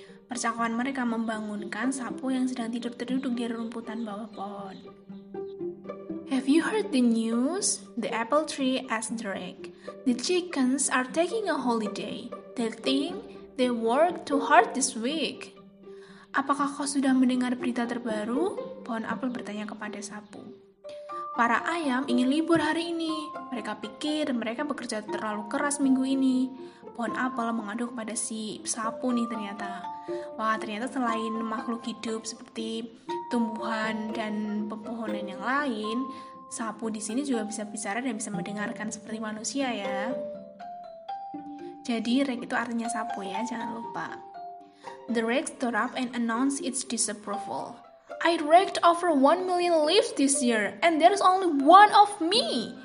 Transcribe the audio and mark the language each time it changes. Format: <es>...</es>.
<id>Percakapan mereka membangunkan sapu yang sedang tidur terduduk di rerumputan bawah pohon.</id> <en>Have you heard the news? The apple tree asked Drake. The chickens are taking a holiday. They think they work too hard this week.</en> <id>Apakah kau sudah mendengar berita terbaru? Pohon apel bertanya kepada sapu. Para ayam ingin libur hari ini. Mereka pikir mereka bekerja terlalu keras minggu ini. Pohon apel mengadu kepada si sapu nih ternyata. Wah, ternyata selain makhluk hidup seperti tumbuhan dan pepohonan yang lain, sapu di sini juga bisa bicara dan bisa mendengarkan seperti manusia ya. Jadi, Rex itu artinya sapu ya, jangan lupa.</id> <en>The Rex stood up and announced its disapproval. I raked over 1 million leaves this year, and there's only one of me.</en>